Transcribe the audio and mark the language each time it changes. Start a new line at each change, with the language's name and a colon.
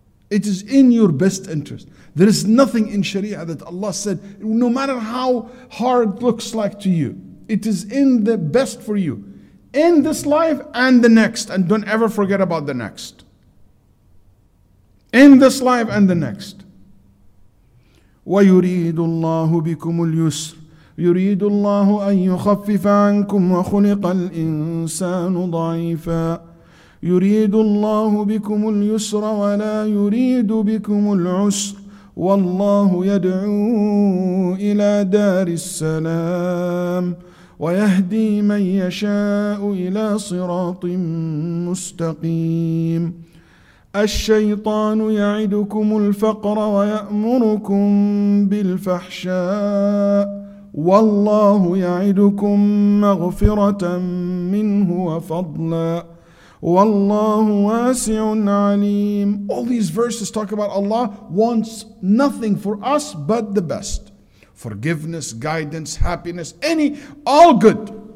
English: It is in your best interest. There is nothing in Sharia that Allah said, no matter how hard it looks like to you, it is in the best for you, in this life and the next. And don't ever forget about the next. In this life and the next.
Arabic: وَيُرِيدُ اللَّهُ بِكُمُ الْيُسْرِ يريد الله أن يخفف عنكم وخلق الإنسان ضعيفا يريد الله بكم اليسر ولا يريد بكم العسر والله يدعو إلى دار السلام ويهدي من يشاء إلى صراط مستقيم الشيطان يعدكم الفقر ويأمركم بالفحشاء والله يعدكم مغفرة منه وفضلا والله واسع عليم.
English: All these verses talk about Allah wants nothing for us but the best. Forgiveness, guidance, happiness, all good.